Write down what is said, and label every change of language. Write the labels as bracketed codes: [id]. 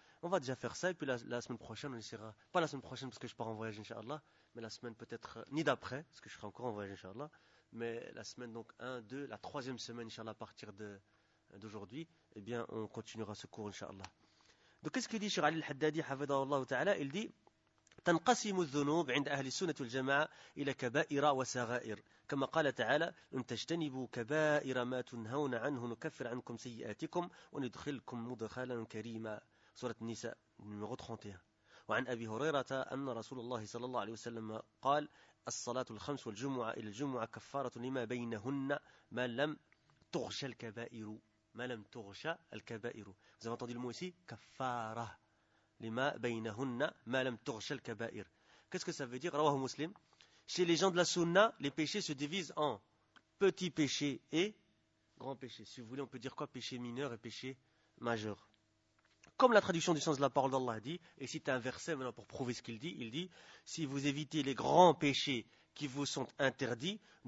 [fr] On va déjà faire ça et puis la semaine prochaine, on essaiera. Pas la semaine prochaine parce que je pars en voyage, Inch'Allah. Mais la semaine peut-être, ni d'après, parce que je serai encore en voyage, Inch'Allah. Mais la semaine, donc 1, 2, la troisième semaine, Inch'Allah, à partir d'aujourd'hui, eh bien, on continuera ce cours, Inch'Allah. Donc, qu'est-ce qu'il dit, Cheikh Ali Al-Haddadi, Hafidhahullah Ta'ala? Il dit. [ar] تنقسم الذنوب عند أهل السنة والجماعة إلى كبائر وصغائر كما قال تعالى إن تجتنبوا كبائر ما تنهون عنه نكفر عنكم سيئاتكم وندخلكم مدخلا كريما سورة النساء numéro 31 وعن أبي هريرة أن رسول الله صلى الله عليه وسلم قال الصلاة الخمس والجمعة إلى الجمعة كفارة لما بينهن ما لم تغش الكبائر ما لم تغش الكبائر [fr] vous avez entendu le mot ici [ar] كفارة لِمَا بَيْنَهُنَّ مَا لَمْ تُغْشَ الْكَبَائِرِ [fr] Qu'est-ce que ça veut dire, Rawahu Muslim? Chez les gens de la sunna, les péchés se divisent en petits péchés et grands péchés. Si vous voulez, on peut dire quoi? Péché mineur et péché majeur. Comme la traduction du sens de la parole d'Allah dit, et c'est un verset maintenant pour prouver ce qu'il dit, il dit, si vous évitez les grands péchés qui vous sont interdits,